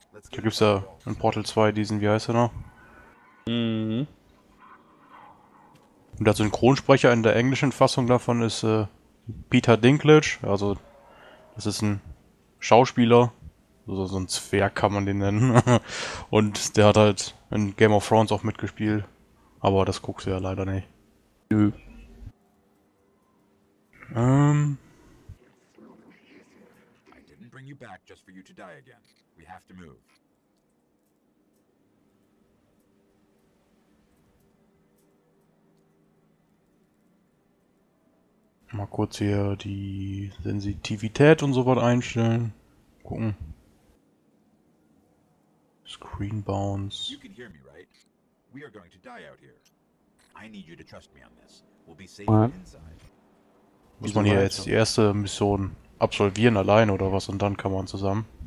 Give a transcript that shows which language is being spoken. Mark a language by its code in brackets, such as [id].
[de] Da gibt's ja in Portal 2 diesen, wie heißt er noch? Und der Synchronsprecher in der englischen Fassung davon ist Peter Dinklage. Also, das ist ein Schauspieler. Also, so ein Zwerg kann man den nennen. Und der hat halt in Game of Thrones auch mitgespielt. Aber das guckst du ja leider nicht. Nö. [en] I didn't bring you back just for you to die again. We have to move. [de] Mal kurz hier die Sensitivität und so was einstellen. Gucken. [en] Screen Bounce. You can hear me, right? We are going to die out here. I need you to trust me on this. We'll be safe inside. [de] Muss man hier jetzt die erste Mission absolvieren allein oder was und dann kann man zusammen?